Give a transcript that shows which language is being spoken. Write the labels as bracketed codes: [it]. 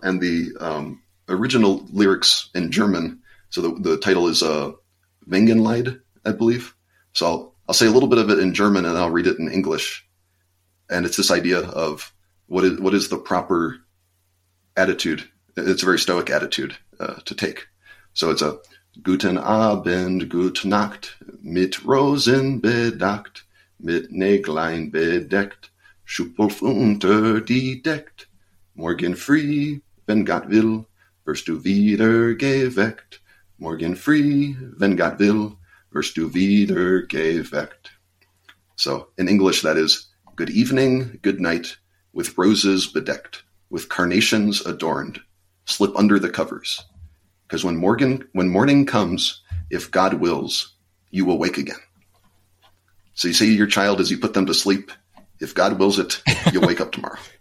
[en] And the original lyrics in German, so the title is Wengenlied, I believe. So I'll say a little bit of it in German, and then I'll read it in English. And it's this idea of what is the proper attitude. It's a very Stoic attitude to take. So it's a [de] Guten Abend, gute Nacht, mit Rosen bedacht, mit Näglein bedeckt, Schupulf unter die Deckt, Morgen früh, wenn Gott will, wirst du wieder geweckt, Morgen früh, wenn Gott will, wirst du wieder geweckt. [en] So in English, that is good evening, good night, with roses bedeckt, with carnations adorned, slip under the covers. Because when morning comes, if God wills, you will wake again. So you say to your child as you put them to sleep, if God wills it, you'll wake up tomorrow.